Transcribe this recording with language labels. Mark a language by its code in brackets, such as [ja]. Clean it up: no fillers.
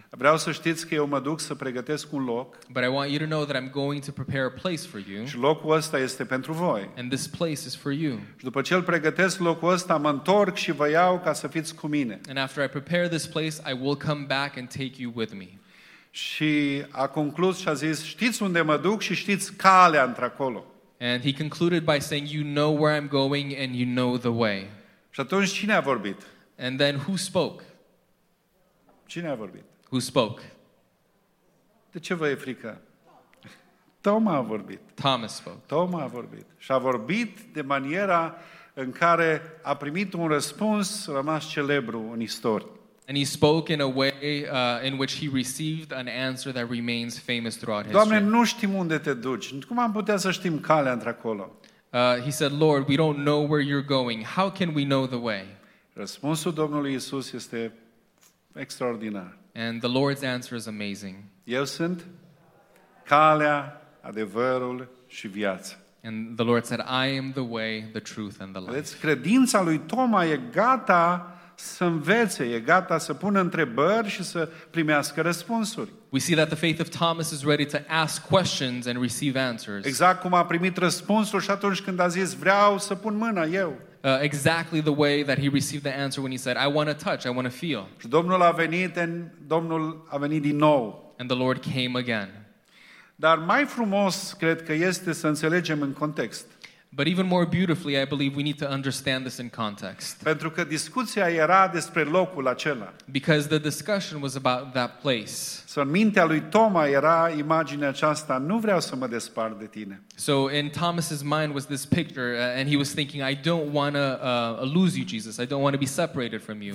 [ro] Vreau să știți că eu mă duc să pregătesc un loc. [en] But I want you to know that I'm going to prepare a place for you. [ro] Și locul ăsta este pentru voi. [en] And this place is for you. [ro] Și după ce îl pregătesc locul ăsta, mă întorc și vă iau ca să fiți cu mine. [en] And after I prepare this place, I will come back and take you with me. [ro] Și a conclus și a zis, știți unde mă duc și știți calea într-acolo. [en] And he concluded by saying, you know where I'm going and you know the way. [ro] Și atunci cine a vorbit? [en] And then who spoke? [ro] Cine a vorbit? [en] Who spoke? [ro] De ce vă e frică? Toma a vorbit. [en] Thomas spoke. [ro] Toma a vorbit. Și a vorbit de maniera în care a primit un răspuns rămas celebru în istorie. [en] And he spoke in a way in which he received an answer that remains famous throughout history. [ro] Doamne, nu știm unde te duci. Cum am putea să știm calea într-acolo? [en] He said, Lord, we don't know where you're going. How can we know the way? [ro] Răspunsul Domnului Iisus este extraordinar. [en] And the Lord's answer is amazing. [ro] Eu sunt calea, adevărul și viața. [en] And the Lord said, I am the way, the truth, and the life. [ro] Vedeți, credința lui Toma e gata să învețe, e gata să pună întrebări și să primească răspunsuri. [en] We see that the faith of Thomas is ready to ask questions and receive answers. [ro] Exact cum a primit răspunsul și atunci când a zis, vreau să pun mâna eu. [en] Exactly the way that he received the answer when he said, I want to touch, I want to feel. [ro] Și Domnul a venit, and Domnul a venit din nou. [en] And the Lord came again. [ro] Dar mai frumos, cred că este să înțelegem în context. [en] But even more beautifully, I believe we need to understand this in context. [ro] Pentru că discuția era despre locul acela. [en] Because the discussion was about that place. [ro] So în mintea lui Toma era imaginea aceasta, nu vreau să mă despart de tine. [en] So in Thomas's mind was this picture, and he was thinking, I don't want to lose you, Jesus. I don't want to be separated from you.